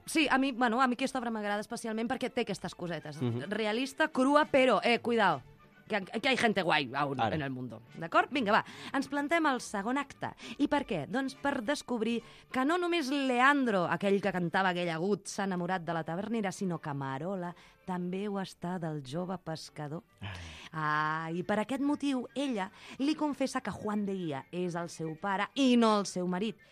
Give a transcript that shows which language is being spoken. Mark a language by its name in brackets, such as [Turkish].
[Catalan] Sí, a mi, bueno, a mi aquesta obra m'agrada especialment perquè té aquestes cosetes. Realista, crua, però, [Spanish] cuidao, que hay gente guay aún en el mundo. [Catalan] D'acord? Vinga, va, ens plantem al segon acte. I per què? Doncs per descobrir que no només Leandro, aquell que cantava aquell agut, s'ha enamorat de la tavernera, sinó que Marola també ho està del jove pescador. I per aquest motiu, ella li confessa que Juan de Guía és el seu pare i no el seu marit.